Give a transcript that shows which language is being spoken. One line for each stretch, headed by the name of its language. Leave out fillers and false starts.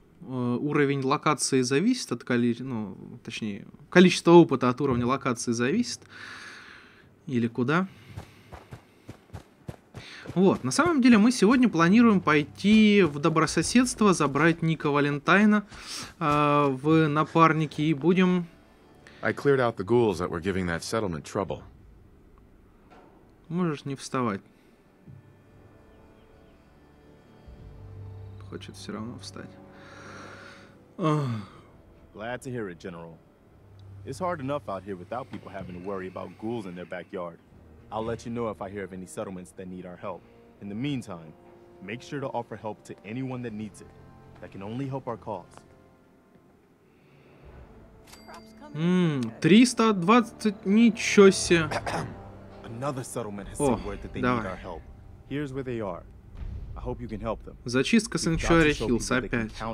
Russian: Уровень локации зависит от количества, ну, точнее, количество опыта от уровня локации зависит. Или куда. Вот, на самом деле мы сегодня планируем пойти в добрососедство, забрать Ника Валентайна в напарники и будем...
English: I cleared out the ghouls that were giving that settlement trouble.
Russian: Можешь не вставать. Хочет все равно встать.
English: Glad to hear it, General. It's hard enough out here without people having to worry about ghouls in their backyard. I'll let you know if I hear of any settlements that need our help. In the meantime, make sure to offer help to anyone that needs it. That can only help our cause.
Russian: 320, ничего себе.
English: Another settlement has some word that they need our help. Here's where they are. I hope you can help them.
Russian: Зачистка Санчуари Хиллс опять.